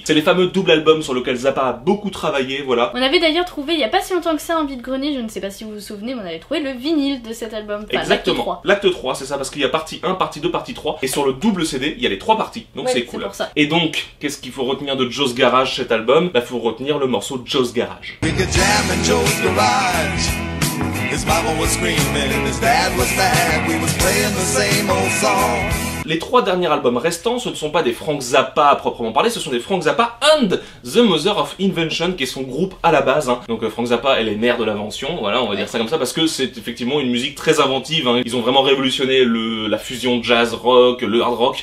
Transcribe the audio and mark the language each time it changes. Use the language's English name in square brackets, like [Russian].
[French] C'est les fameux double albums sur lesquels Zappa a beaucoup travaillé, voilà. On avait d'ailleurs trouvé, il y a pas si longtemps que ça, en vide-grenier, je ne sais pas si vous vous souvenez, mais on avait trouvé le vinyle de cet album. Enfin, exactement. L'acte 3. L'acte 3, c'est ça, parce qu'il y a partie 1, partie 2, partie 3. Et sur le double CD, il y a les 3 parties, donc ouais, c'est cool. C'est pour ça. Et donc, qu'est-ce qu'il faut retenir de Joe's Garage, cet album? Bah, faut retenir le morceau Joe's Garage. [English] We could jam in Joe's Garage. His mama was screaming, his dad was mad. We was playing the same old song. [French] Les 3 derniers albums restants, ce ne sont pas des Frank Zappa à proprement parler, ce sont des Frank Zappa and The Mother of Invention, qui est son groupe à la base. Hein. Donc Frank Zappa, elle est mère de l'invention, voilà, on va dire ça comme ça, parce que c'est effectivement une musique très inventive. Hein. Ils ont vraiment révolutionné la fusion jazz-rock, le hard-rock.